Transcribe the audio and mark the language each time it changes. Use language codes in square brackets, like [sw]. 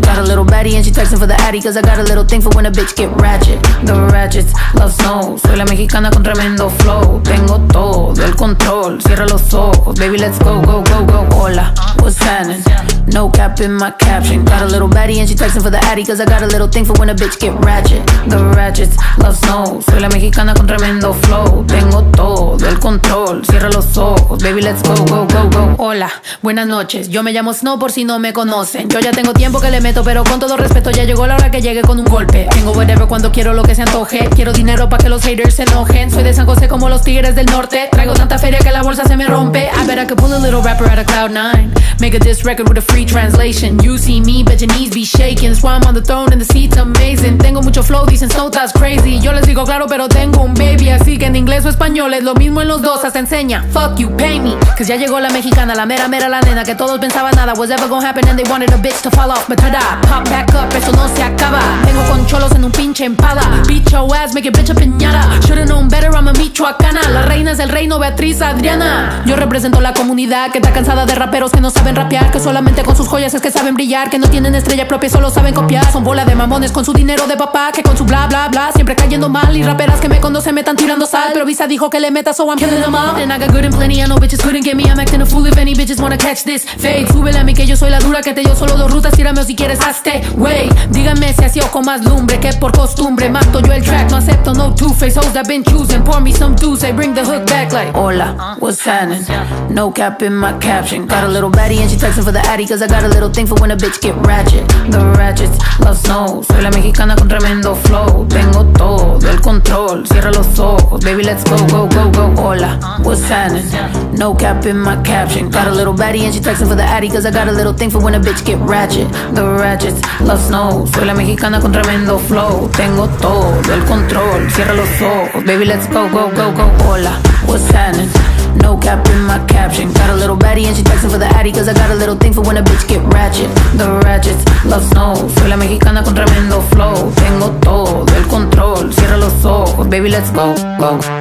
[en] Got a little baddie and she texting for the addy, cause I got a little thing for when a bitch get ratchet. The ratchets, love snow. [es] Soy la mexicana con tremendo flow. Tengo todo el control, cierra los ojos. [en] Baby, let's go, go, go, go. Hola, what's happening? No cap in my caption. Got a little baddie and she texting for the addy, cause I got a little thing for when a bitch get ratchet. The ratchets, love snow. [es] Soy la mexicana con tremendo flow. Tengo todo el control, cierra los ojos. [en] Baby, let's go, go, go, go. [es] Hola, buenas noches. Yo me llamo Snow por si no me conocen. Yo ya tengo tiempo que le meto, pero con todo respeto, ya llegó la hora que llegue con un golpe. Tengo whatever cuando quiero lo que se antoje. Quiero dinero pa' que los haters se enojen. Soy de San José como los tigres del norte. Traigo tanta feria que la bolsa se me rompe. [en] I bet I could pull a little rapper out of cloud nine. Make a diss record with a free translation. You see me, bet your knees be shaking. That's why I'm on the throne and the seat's amazing. [es] Tengo mucho flow, dicen Snow, [en] that's crazy. [es] Yo les digo claro, pero tengo un baby. Así que en inglés o español es lo mismo en los dos. Hasta enseña, [en] fuck you, pay me. Cause [es] ya llegó la mexicana, la mera mera la nena. Que todos pensaban nada [en] was ever gonna happen. And they wanted a bitch to fall off, but ta-da. Pop back up, [es] eso no se acaba. Tengo con cholos en un pinche empada. [en] Beat your ass, make your bitch a piñata. Should've known better, I'm a michoacana. [es] La reina es el reino, Beatriz Adriana. Yo represento la comunidad que está cansada de raperos que no saben rapear. Que solamente con sus joyas es que saben brillar. Que no tienen estrella propia, solo saben copiar. Son bola de mamones con su dinero de papá. Que con su bla bla bla, siempre cayendo mal. Y raperas que me conocen me están tirando sal. Pero Visa dijo que le meta, [en] so I'm killing them all. And I got good and plenty, and no bitches couldn't get me. I'm acting a fool if any bitches wanna catch this fade. [es] Súbele a mí que yo soy la dura. Que te dio solo dos rutas, tírame o si quieres hazte wey. Díganme si así ojo más lumbre. Que por costumbre mato yo el track. [en] No acepto no two face hoes I've been choosing. Pour me some juice, I bring the hook back like hola, what's happening? No cap in my caption. Got a little baddie and she texting for the addy, cause I got a little thing for when a bitch get ratchet. The ratchets love snow. [es] Soy la mexicana con tremendo flow. Tengo todo el control, cierra los ojos. [en] Baby, let's go, go, go, go. Hola, what's happening? No cap in my caption. Got a little baddie and she texting for the addy, cause I got a little thing for when a bitch get ratchet. The ratchets love snow. [es] Soy la mexicana con tremendo flow. Tengo todo el control, cierra los ojos. [en] Baby, let's go, go, go, go. Hola, what's happening? No cap in my caption. Got a little baddie and she texting for the addy, cause I got a little thing for when a bitch get ratchet. The ratchets love snow. [es] Soy la mexicana con tremendo flow. Tengo todo el control, cierra los ojos. [en] Baby, let's go, go.